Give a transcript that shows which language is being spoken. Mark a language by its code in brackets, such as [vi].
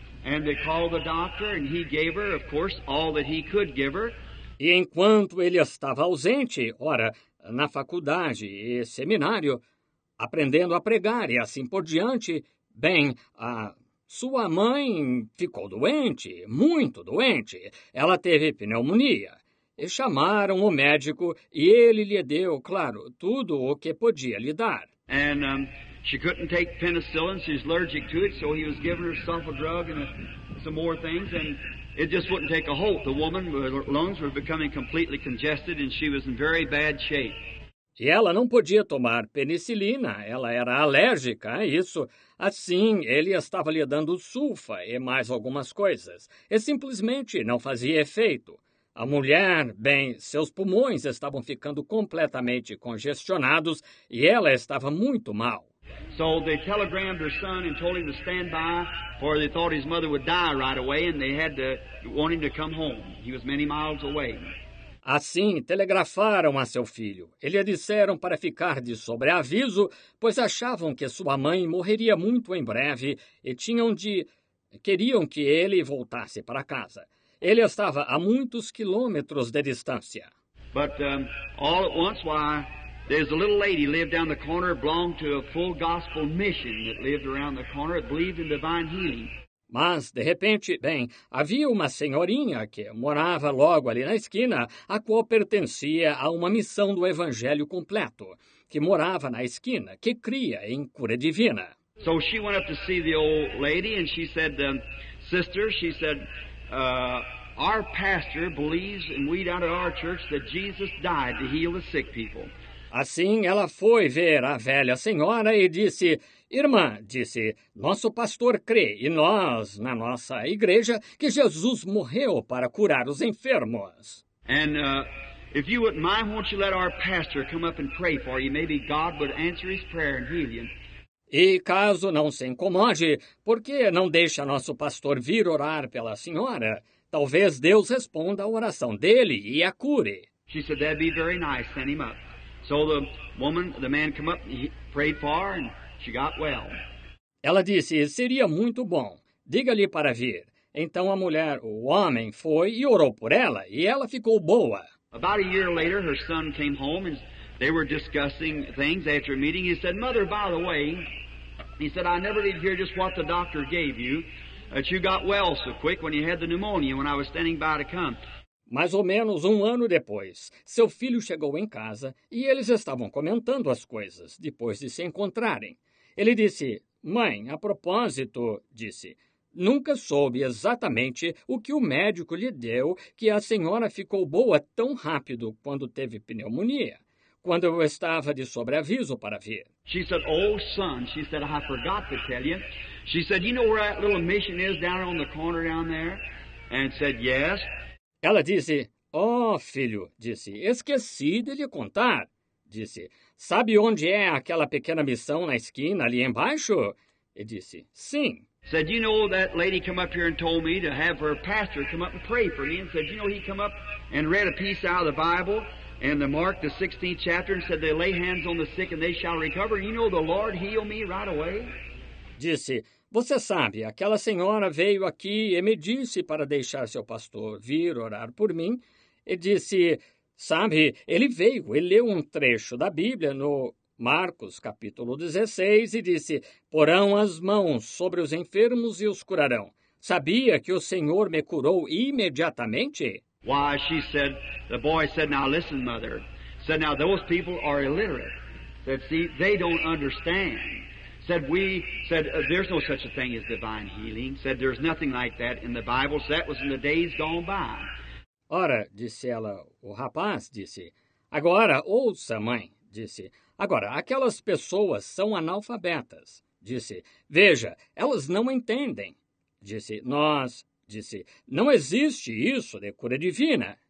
[en] And they called the doctor, and he gave her, of course, all that he could give her. [pt] E enquanto ele estava ausente, ora, na faculdade e seminário, aprendendo a pregar e assim por diante, bem, a... Sua mãe ficou doente, muito doente. Ela teve pneumonia. E chamaram o médico e ele lhe deu, claro, tudo o que podia lhe dar. [en] And she couldn't take penicillin, she's allergic to it, so he was giving herself a drug and some more things, and it just wouldn't take a hold. The woman, her lungs were becoming completely congested and she was in very bad shape. [pt] E ela não podia tomar penicilina, ela era alérgica a isso. Assim, ele estava lhe dando sulfa e mais algumas coisas. E simplesmente não fazia efeito. A mulher, bem, seus pulmões estavam ficando completamente congestionados e ela estava muito mal. [en] So they telegrammed her son and told him to stand by, for they thought his mother would die right away and they had to want him to come home. He was many miles away. [pt] Assim, telegrafaram a seu filho. Ele lhe disseram para ficar de sobreaviso, pois achavam que sua mãe morreria muito em breve e queriam que ele voltasse para casa. Ele estava a muitos quilômetros de distância. [en] But all at once, why, there's a little lady lived down the corner, belonged to a full gospel mission that lived around the corner, that believed in divine healing. [pt] Mas, de repente, bem, havia uma senhorinha que morava logo ali na esquina, a qual pertencia a uma missão do Evangelho completo, que morava na esquina, que cria em cura divina. [en] So she went up to see the old lady and she said, sister, she said, our pastor believes and we down at our church that Jesus died to heal the sick people. [pt] Assim, ela foi ver a velha senhora e disse, Irmã, disse, nosso pastor crê, e nós, na nossa igreja, que Jesus morreu para curar os enfermos. [en] And if you wouldn't mind, won't you let our pastor come up and pray for you? Maybe God would answer his prayer and heal you. [pt] E caso não se incomode, por que não deixa nosso pastor vir orar pela senhora? Talvez Deus responda a oração dele e a cure. [en] She said that'd be very nice, send him up. So the woman, the man come up, he prayed for her, and she got well. [pt] Ela disse, seria muito bom, diga-lhe para vir. Então a mulher, o homem, foi e orou por ela, e ela ficou boa. [en] About a year later, her son came home, and they were discussing things after a meeting. He said, Mother, by the way, he said, I never did hear just what the doctor gave you, that you got well so quick when you had the pneumonia, when I was standing by to come. [pt] Mais ou menos um ano depois, seu filho chegou em casa e eles estavam comentando as coisas depois de se encontrarem. Ele disse, Mãe, a propósito, disse, nunca soube exatamente o que o médico lhe deu que a senhora ficou boa tão rápido quando teve pneumonia, quando eu estava de sobreaviso para vir. [en] She said, oh, son, she said, I forgot to tell you. She said, you know where that little mission is down on the corner down there? And said, yes. [pt] Ela disse, oh, filho, disse, esqueci de lhe contar. Disse, sabe onde é aquela pequena missão na esquina ali embaixo? E disse, sim. [en] Said, you know that lady come up here and told me to have her pastor come up and pray for me. And said, you know, he come up and read a piece out of the Bible and the Mark, the 16th chapter, and said, they lay hands on the sick and they shall recover. You know, the Lord heal me right away. [pt] Disse, você sabe, aquela senhora veio aqui e me disse para deixar seu pastor vir orar por mim. E disse, sabe, ele veio, ele leu um trecho da Bíblia no Marcos capítulo 16 e disse, porão as mãos sobre os enfermos e os curarão. Sabia que o Senhor me curou imediatamente? [en] Why, she said, the boy said, now listen, mother. Said, now those people are illiterate. Said, see, they don't understand. Said, we, said, there's no such a thing as divine healing. Said, there's nothing like that in the Bible. So that was in the days gone by. [pt] Ora, disse ela, o rapaz disse, agora, ouça, mãe, disse, agora, aquelas pessoas são analfabetas. Disse, veja, elas não entendem. Disse, nós, disse, não existe isso de cura divina.